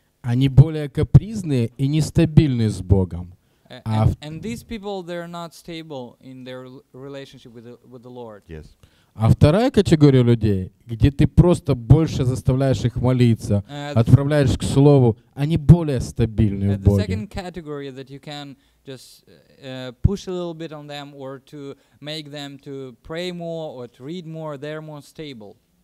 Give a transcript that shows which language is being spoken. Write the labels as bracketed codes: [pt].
[ru] Они более капризные и нестабильны с Богом. [en] And these people, they're not stable in their relationship with the Lord. Yes. [ru] А вторая категория людей, где ты просто больше заставляешь их молиться, отправляешь к слову, они более стабильны в Боге. [en] The second category that you can just push a little bit on them or to make them to pray more or to read more, they're more stable.